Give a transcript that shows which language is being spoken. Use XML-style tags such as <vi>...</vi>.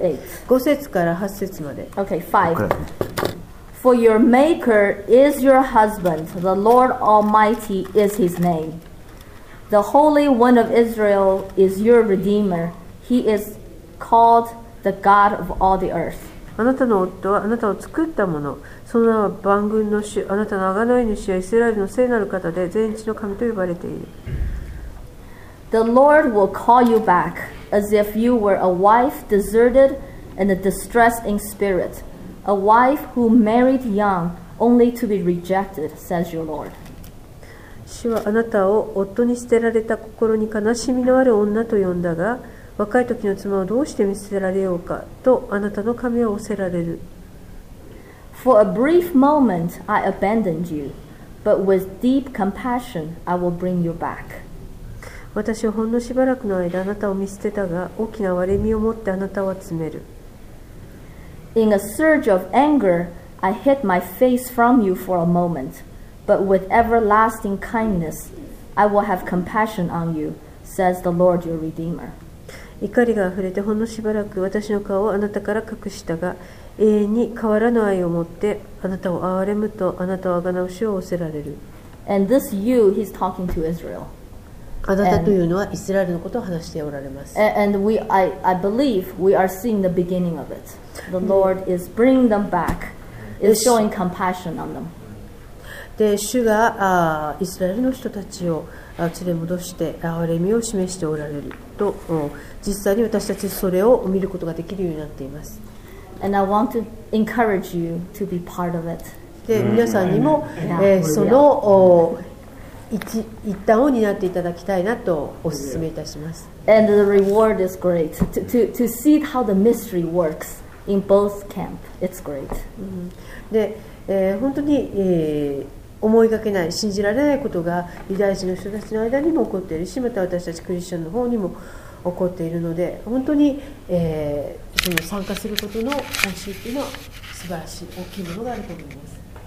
<ja>8. 5節から8節まで。</ja> <en>Okay, 5. For your maker is your husband, the Lord Almighty is his name. The Holy One of Israel is your redeemer. He isCalled the God of all the earth.</en> <ja>あなたの夫はあなたを作ったもの、その名は万軍の主、あなたの贖い主はイスラエルの聖なる方で全地の神と呼ばれている。</ja> <en>The Lord will call you back as if you were a wife deserted and a distressed in spirit, a wife who married young only to be rejected, says your Lord.</en> <ja>主はあなたを夫に捨てられた心に悲しみのある女と呼んだが、若い時の妻をどうして見捨てられようかとあなたの髪を押せられる。</ja> <en>For a brief moment I abandoned you, but with deep compassion I will bring you back.</en> <ja>私はほんのしばらくの間あなたを見捨てたが、大きな憐れみを持ってあなたを集める。</ja> <en>In a surge of anger I hid my face from you for a moment, but with everlasting kindness I will have compassion on you, says the Lord your Redeemer.</en> <ja>怒りが溢れてほんのしばらく私の顔をあなたから隠したが、永遠に変わらぬ愛を持ってあなたを憐れむとあなたを贖う主を仰せられる。</ja> <en>And this you, he's talking to Israel.</en> <ja>あなたというのはイスラエルのことを話しておられます。</ja> <en>And we, I believe we are seeing the beginning of it. The Lord is bringing them back, is showing compassion on them.</en> <ja>で、主がイスラエルの人たちを連れ戻して憐れみを示しておられると、実際に私たちそれを見ることができるようになっています。</ja> <en>And I want to encourage you to be part of it.</en> <ja>で、皆さんにも、その一端を担っていただきたいなとお勧めいたします。</ja> <en>And the reward is great to see how the mystery works in both camp. It's great.</en> <ja>で、本当に、思いがけない信じられないことがユダヤ人の人たちの間にも起こっているし、また私たちクリスチャンの方にも起こっているので、本当に、その参加することの報酬というのは素晴らしい大きいものがあると思います。</ja>